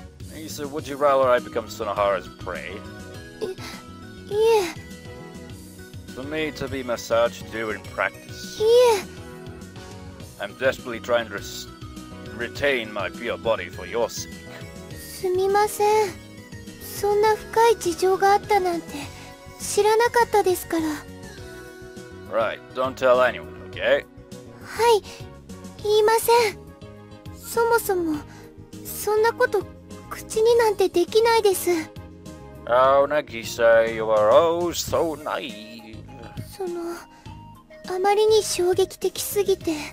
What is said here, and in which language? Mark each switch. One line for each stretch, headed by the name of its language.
English: Nagisa, would you rather I become Sunohara's prey? Yeah. For me to be massaged during practice? Yeah. I'm desperately trying to retain my pure body for your sake.
Japanese: すみません。そんな深い事情があったなんて知らなかったですから。
English: Right. Don't tell anyone, okay?
Japanese: はい。言いません。そもそも…そんなこと口になんてできないです。
English: Oh, Nagisa, you are oh so naive.
Japanese: その、あまりに衝撃的すぎて。